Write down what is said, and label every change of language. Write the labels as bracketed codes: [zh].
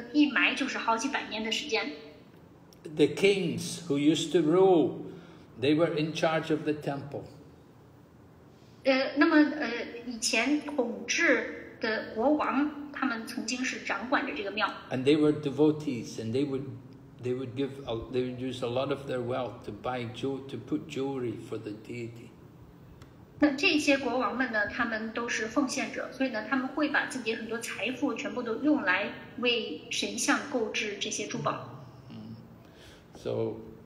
[zh] 而这些房间呢，都是埋在地下的，一埋就是好几百年的时间。 [en] The kings who used to rule, they were in charge of the temple. [zh] 那么以前统治。 [en] And they were devotees, and they would use a lot of their wealth to buy jewel, to put jewelry for the deity. [zh] 那这些国王们呢，他们都是奉献者，所以呢，他们会把自己很多财富全部都用来为神像购置这些珠宝。 [en] So